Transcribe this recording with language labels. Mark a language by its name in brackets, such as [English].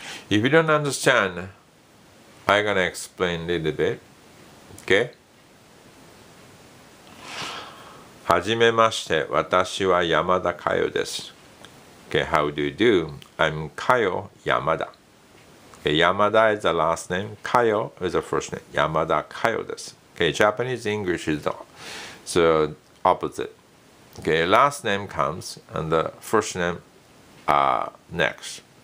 [English] If you don't understand, I'm gonna explain a little bit. Okay? [Japanese] はじめまして、私は山田佳代です。 [English] Okay, how do you do? I'm Kayo Yamada. Okay, Yamada is the last name, Kayo is the first name. [Japanese] Yamada Kayo です。 [English] Okay, Japanese English is the opposite. Okay, last name comes and the first name next.